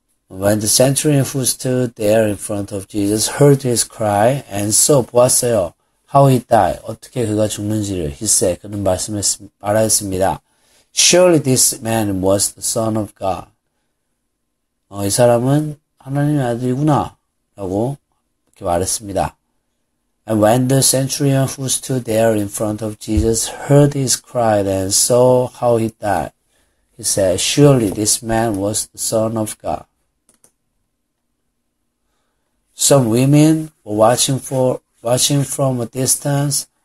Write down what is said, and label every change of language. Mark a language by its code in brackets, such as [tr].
[en] When the centurion who stood there in front of Jesus heard his cry and saw 보았어요. How he died. [ko] 어떻게 그가 죽는지를. [en] He said. [ko] 그는 말하였습니다. [en] Surely this man was the son of God. [ko] 이 사람은 하나님의 아들이구나. 라고 이렇게 말했습니다. [en] And when the centurion who stood there in front of Jesus heard his cry and saw how he died. He said, surely this man was the son of God. Some women were watching from a distance.